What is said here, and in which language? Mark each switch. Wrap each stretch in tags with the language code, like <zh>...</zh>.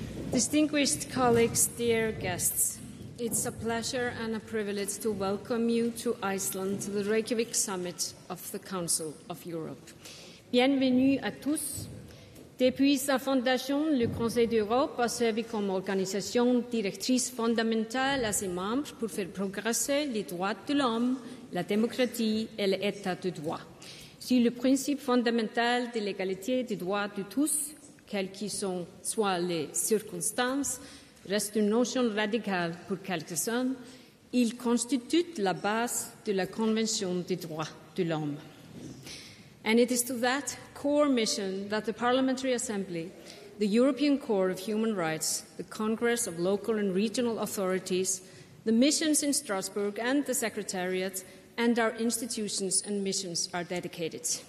<en>Distinguished colleagues, dear guests, it's a pleasure and a privilege to welcome you to Iceland, to the Reykjavik Summit of the Council of Europe.</en> <fr>Bienvenue à tous. Depuis sa fondation, le Conseil d'Europe a servi comme organisation directrice fondamentale à ses membres pour faire progresser les droits de l'homme, la démocratie et l'état de droit. Sur le principe fondamental de l'égalité des droits de tous, quelles qu'elles soient les circonstances, reste une notion radicale pour quelques-uns, il constitue la base de la Convention des droits de l'homme.</fr> <en>And it is to that core mission that the Parliamentary Assembly, the European Court of Human Rights, the Congress of Local and Regional Authorities, the missions in Strasbourg and the Secretariat, and our institutions and missions are dedicated.</en>